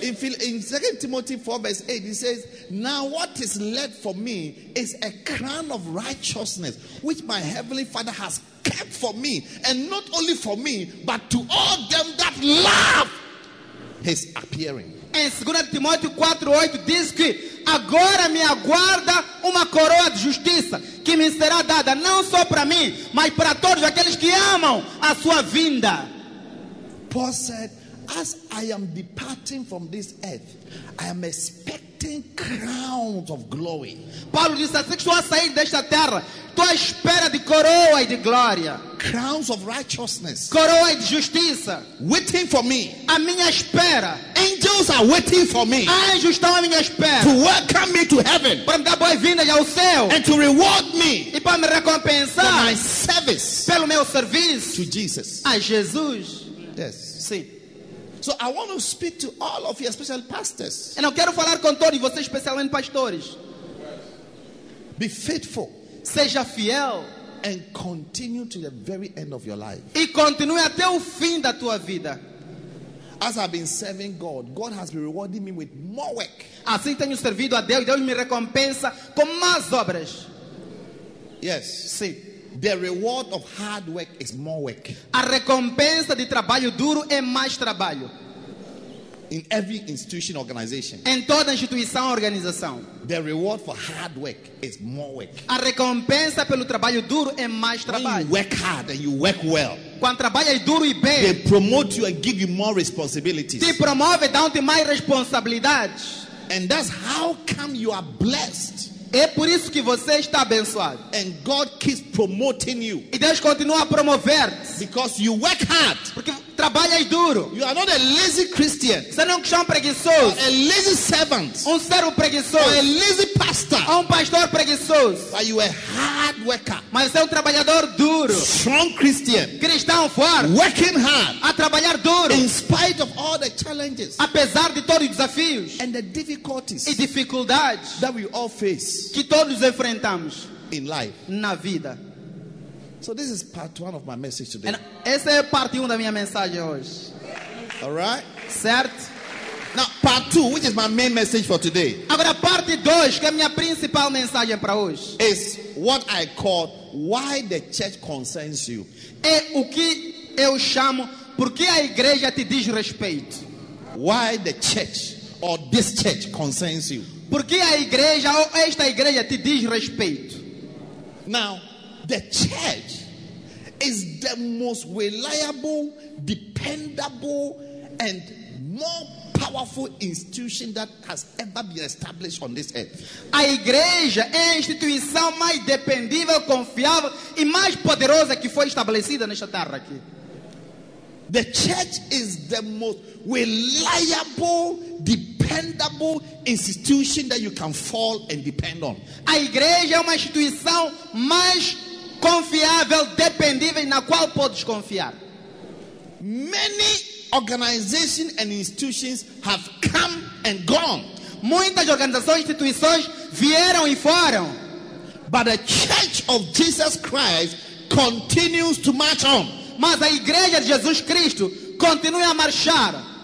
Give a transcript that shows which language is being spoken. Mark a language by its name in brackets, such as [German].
[English] In 2 Timothy 4 verse 8, he says, now what is left for me is a crown of righteousness, which my heavenly Father has kept for me, and not only for me, but to all them that love his appearing. [Portuguese] Em 2 Timóteo 4, 8, diz que agora me aguarda uma coroa de justiça que me será dada não só para mim, mas para todos aqueles que amam a sua vinda. [English] Paul said, as I am departing from this earth, I am expecting crowns of glory. [Portuguese] Paulo disse, assim que estou a sair desta terra, estou à espera de coroa e de glória. [English] Crowns of righteousness. [Portuguese] Coroa de justiça. [English] Waiting for me. [Portuguese] A minha espera. [English] Angels are waiting for me. [Portuguese] Anjos estão à minha espera. [English] To welcome me to heaven. [Portuguese] Para me dar boa-vinda ao céu. [English] And to reward me. [Portuguese] E para me recompensar. [English] For my service. [Portuguese] Pelo meu serviço. [English] To Jesus. [Portuguese] A Jesus. [English] Yes. [Portuguese] Sim. [English] So I want to speak to all of you, especially pastors. [Portuguese] E eu quero falar com todos vocês, especialmente pastores. [English] Be faithful. [Portuguese] Seja fiel. [English] And continue to the very end of your life. [Portuguese] E continue até o fim da tua vida. [English] As I've been serving God, God has been rewarding me with more work. [Portuguese] Assim tenho servido a Deus, Deus me recompensa com mais obras. [English] Yes. [Portuguese] Sim. [English] The reward of hard work is more work. [Portuguese] A recompensa de trabalho duro é mais trabalho. [English] in every institution, organization. [Portuguese] Em toda instituição, organização. [English] The reward for hard work is more work. [Portuguese] A recompensa pelo trabalho duro é mais trabalho. [English] When you work hard and you work well. [Portuguese] Quando trabalhas duro e bem. [English] They promote you and give you more responsibilities. [Portuguese] Te promove, dão-te mais responsabilidades. [English] And that's how come you are blessed. [Portuguese] É por isso que você está abençoado. [English] And God keeps promoting you. [Portuguese] E Deus continua a promover-te. [English] Because you work hard. [Portuguese] Porque trabalhas duro. [English] You are not a lazy Christian. [Portuguese] Você não é um preguiçoso. [English] A lazy servant. [Portuguese] Um servo preguiçoso. [English] A lazy pastor. [Portuguese] Um pastor preguiçoso. [English] But you are a hard worker. [Portuguese] Mas você é trabalhador duro. [English] Strong Christian. [Portuguese] Cristão forte. [English] Working hard. [Portuguese] A trabalhar duro. [English] In spite of all the challenges. [Portuguese] Apesar de todos os desafios. [English] And the difficulties. [Portuguese] E dificuldades. [English] That we all face. [Portuguese] Que todos enfrentamos. [English] In life. [Portuguese] Na vida. [English] So this is part one of my message today. [Portuguese] Essa é parte 1 da minha mensagem hoje. [English] All right? [Portuguese] Certo? [English] Now part 2, which is my main message for today. [Portuguese] Agora parte 2, que é a minha principal mensagem para hoje. [English] Is what I call why the church concerns you. [Portuguese] É o que eu chamo por que a igreja te diz respeito. [English] Why the church or this church concerns you. [Portuguese] Por que a igreja ou esta igreja te diz respeito. [English] Now the church is the most reliable, dependable, and more powerful institution that has ever been established on this earth. [Portuguese] A igreja é a instituição mais dependível, confiável e mais poderosa que foi estabelecida nesta terra aqui. [English] The church is the most reliable, dependable institution that you can fall and depend on. [Portuguese] A igreja é uma instituição mais confiável, dependível, na qual podes confiar. [English] Many organizations and institutions have come and gone. [Portuguese] Muitas organizações e instituições vieram e foram. [English] But the church of Jesus Christ continues to march on. [Portuguese] Mas a igreja de Jesus Cristo continua a marchar.